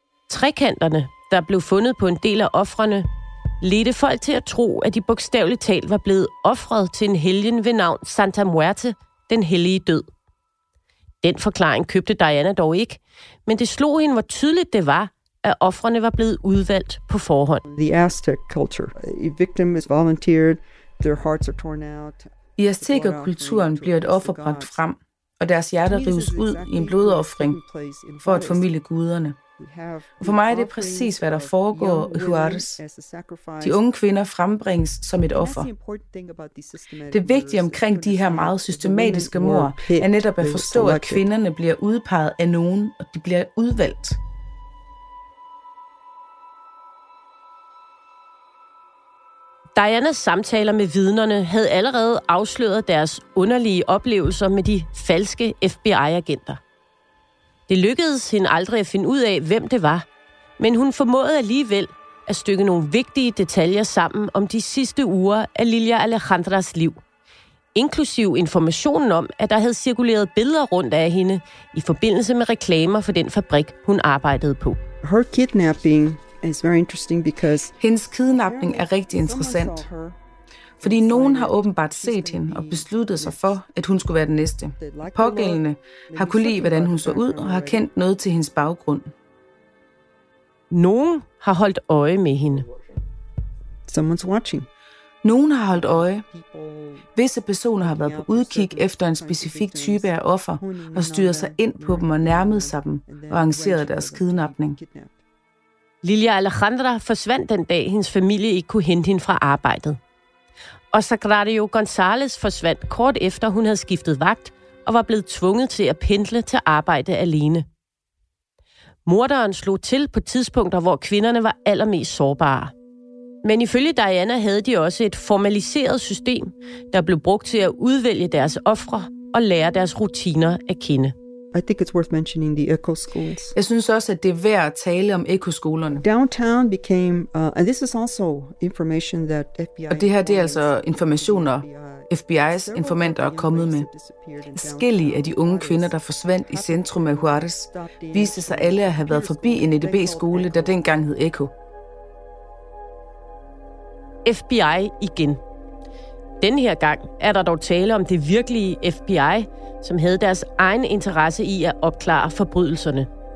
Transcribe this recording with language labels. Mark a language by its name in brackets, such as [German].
[Danish] Trekanterne, der blev fundet på en del af ofrene, ledte folk til at tro, at de bogstaveligt talt var blevet ofret til en helgen ved navn Santa Muerte, den hellige død. Den forklaring købte Diana dog ikke, men det slog hende, hvor tydeligt det var, at ofrene var blevet udvalgt på forhånd. [English] The Aztec culture. A victim is volunteered. Their hearts are torn out. [Danish] I aztekerkulturen bliver et offer bragt frem, og deres hjerter rives ud i en blodoffring for at formilde guderne. Og for mig er det præcis, hvad der foregår i Juarez. De unge kvinder frembringes som et offer. Det vigtige omkring de her meget systematiske mord er netop at forstå, at kvinderne bliver udpeget af nogen, og de bliver udvalgt. Dianas samtaler med vidnerne havde allerede afsløret deres underlige oplevelser med de falske FBI-agenter. Det lykkedes hende aldrig at finde ud af, hvem det var, men hun formåede alligevel at stykke nogle vigtige detaljer sammen om de sidste uger af Lilia Alejandras liv, inklusiv informationen om, at der havde cirkuleret billeder rundt af hende i forbindelse med reklamer for den fabrik, hun arbejdede på. [English] Her kidnapping is very interesting because [Danish] hendes kidnapning er rigtig interessant, fordi nogen har åbenbart set hende og besluttet sig for, at hun skulle være den næste. Pågældende har kunne lide, hvordan hun så ud og har kendt noget til hendes baggrund. Nogen har holdt øje med hende. [English] Someone's watching. [Danish] Nogen har holdt øje. Visse personer har været på udkig efter en specifik type af offer og styret sig ind på dem og nærmede sig dem og arrangeret deres kidnapning. Lilia Alejandra forsvandt den dag, hendes familie ikke kunne hente hende fra arbejdet. Og Sagrario González forsvandt kort efter, hun havde skiftet vagt og var blevet tvunget til at pendle til arbejde alene. Morderen slog til på tidspunkter, hvor kvinderne var allermest sårbare. Men ifølge Diana havde de også et formaliseret system, der blev brugt til at udvælge deres ofre og lære deres rutiner at kende. [English] I think it's worth mentioning the eco schools. [Danish] Jeg synes også, at det er værd at tale om ekoskolerne. [English] Downtown became, and this is also information that FBI. [Danish] Og det her, det er altså informationer, FBI's informanter er kommet med. Skellige af de unge kvinder, der forsvandt i centrum af Juarez, viste sig alle at have været forbi en EDB-skole, der dengang hed Eko. FBI igen. Denne her gang er der dog tale om det virkelige FBI, som havde deres egen interesse i at opklare forbrydelserne.